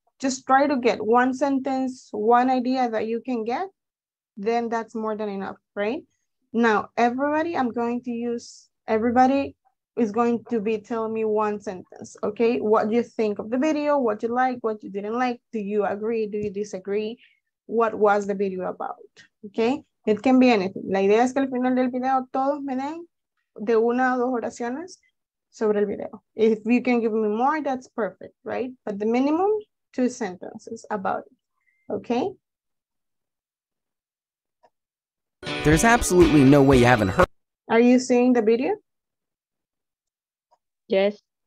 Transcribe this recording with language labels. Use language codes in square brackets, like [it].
[en] Just try to get one sentence, one idea that you can get, then that's more than enough, right? Now, everybody is going to be telling me one sentence, okay? What you think of the video, what you like, what you didn't like, do you agree, do you disagree? What was the video about, okay? It can be anything. [es] La idea es que al final del video todos me den de una o dos oraciones sobre el video. [en] If you can give me more, that's perfect, right? But the minimum, two sentences about it, okay? There's absolutely no way you haven't heard. Are you seeing the video? Yes.